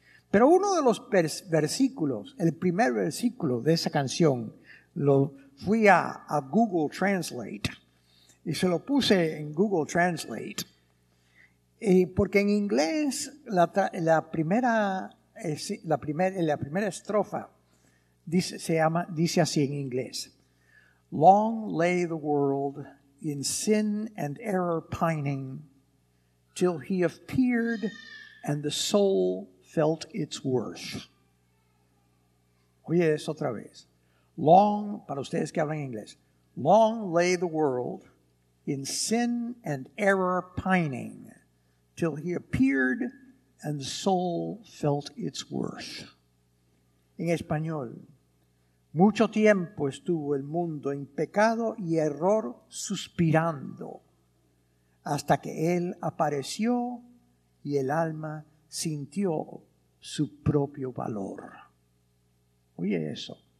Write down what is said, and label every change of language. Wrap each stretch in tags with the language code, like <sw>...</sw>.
<es>Pero uno de los versículos, el primer versículo de esa canción, lo fui a Google Translate y se lo puse en Google Translate. Porque en inglés la primera estrofa dice así en inglés.</es> <en>Long lay the world in sin and error pining, till he appeared and the soul felt its worth.</en> <es>Oye eso otra vez. Long, para ustedes que hablan inglés.</es> <en>Long lay the world in sin and error pining, till he appeared and the soul felt its worth.</en> <es>En español. Mucho tiempo estuvo el mundo en pecado y error suspirando, hasta que él apareció y el alma sintió su propio valor. Oye eso.</es>